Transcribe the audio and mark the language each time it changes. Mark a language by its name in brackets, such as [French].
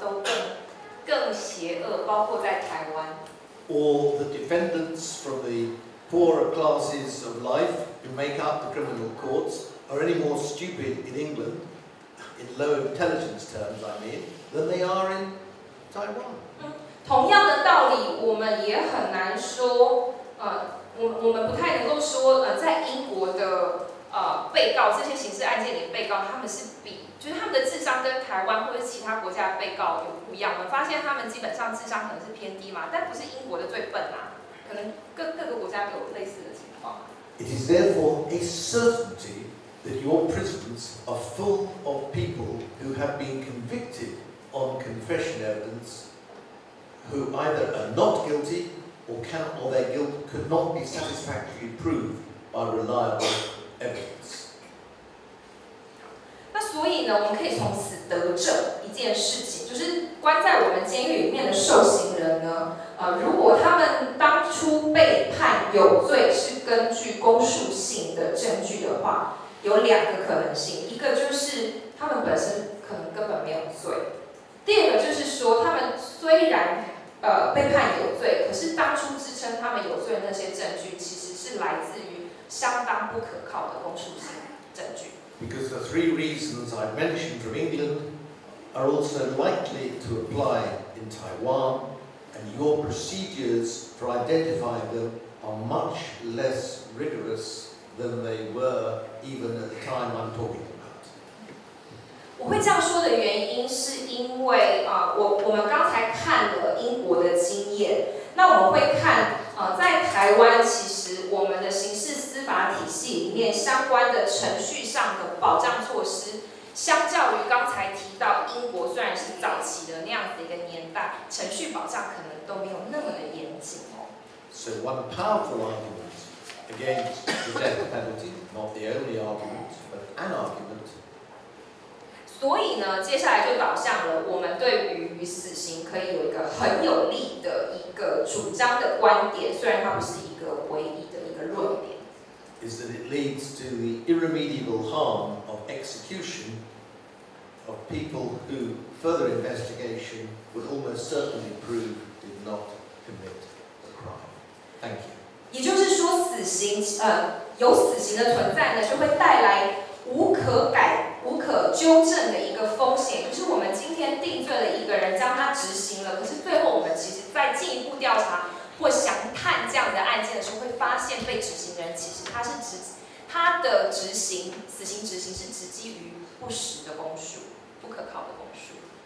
[Chinese] 没有什么理由可以让我们想说，可能英国的警方就是比世界其他国家的警方都更邪恶，包括在台湾。 [English] All the defendants from the poorer classes of life who make up the criminal courts are any more stupid in England, in low intelligence terms, I mean, than they are in Taiwan. [Chinese] 同样的道理，我们也很难说，我们不太能够说，在英国的。被告这些刑事案件里的被告，他们是比就是他们的智商跟台湾或者其他国家的被告有不一样。我们发现他们基本上智商可能是偏低嘛，但不是英国的最笨啊，可能各个国家都有类似的情况。 [English] It is therefore a certainty that your prisons are full of people who have been convicted on confession evidence, who either are not guilty or cannot, or their guilt could not be satisfactorily proved by reliable evidence. [Chinese] 那所以呢，我们可以从此得证一件事情，就是关在我们监狱里面的受刑人呢，如果他们当初被判有罪是根据公诉性的证据的话，有两个可能性，一个就是他们本身可能根本没有罪，第二个就是说他们虽然被判有罪，可是当初支撑他们有罪的那些证据其实是来自于相当不可靠的公诉性证据。 [English] Because the three reasons I've mentioned from England are also likely to apply in Taiwan, and your procedures for identifying them are much less rigorous than they were even at the time I'm talking about. [Chinese] 我会这样说的原因是因为我们刚才看了英国的经验，那我们会看在台湾其实我们的刑事司法体系里面相关的程序上的保障措施，相较于刚才提到英国虽然是早期的那样子的一个年代，程序保障可能都没有那么的严谨哦。 [English] So one powerful argument against the death penalty, not the only argument, but an argument. [Chinese] 所以呢，接下来就导向了我们对于与死刑可以有一个很有力的一个主张的观点，虽然它不是一个唯一的一个论点。 [English] Is that it leads to the irremediable harm of execution of people who further investigation would almost certainly prove did not commit the crime. Thank you. [Chinese] 也就是说，死刑有死刑的存在呢，就会带来无可纠正的一个风险。就是我们今天定罪了一个人，将他执行了，可是最后我们其实再进一步调查或详探这样的案件的时候，会发现被执行人其实他的死刑执行是执基于不实的供述，不可靠的供述。